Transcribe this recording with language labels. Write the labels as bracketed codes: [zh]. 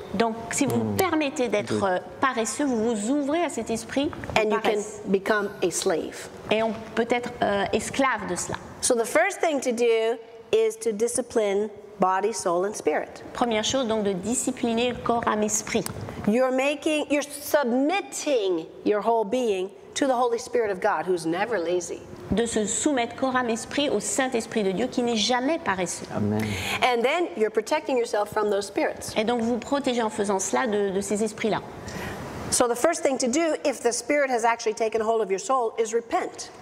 [fr] Donc, si vous permettez d'être paresseux, vous vous ouvrez à cet esprit. [en] And you can become a slave. [fr] Et on peut être esclave de cela. [en] So, the first thing to do is to discipline body, soul, and spirit. [fr] Première chose, donc, de discipliner le corps, âme, esprit. [en] You're submitting your whole being to the Holy Spirit of God, who's never lazy. [fr] De se soumettre corps, âme, esprit au Saint-Esprit de Dieu qui n'est jamais paresseux. Amen. [en] And then you're protecting yourself from those spirits. [fr] Et donc vous protégez en faisant cela de ces esprits-là. [en] So the first thing to do if the spirit has actually taken hold of your soul is repent.